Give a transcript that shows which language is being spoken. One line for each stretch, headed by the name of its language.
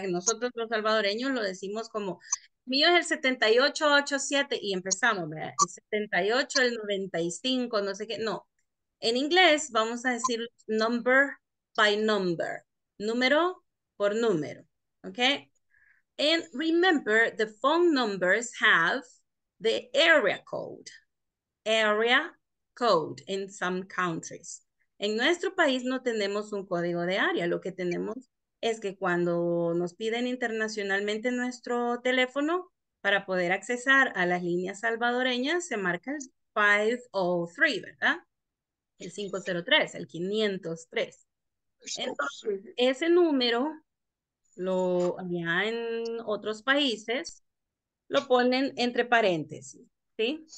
Spanish: Que nosotros los salvadoreños lo decimos como, mío es el 7887 y empezamos, ¿verdad? El 78, el 95, no sé qué. No, en inglés vamos a decir
English: number by number,
Spanish: número por número, ¿ok?
English: And remember, the phone numbers have the area code in some countries.
Spanish: En nuestro país no tenemos un código de área. Lo que tenemos es que cuando nos piden internacionalmente nuestro teléfono para poder accesar a las líneas salvadoreñas, se marca el 503, ¿verdad? El 503, el 503. Entonces, ese número, lo ya en otros países, lo ponen entre paréntesis. ¿Sí?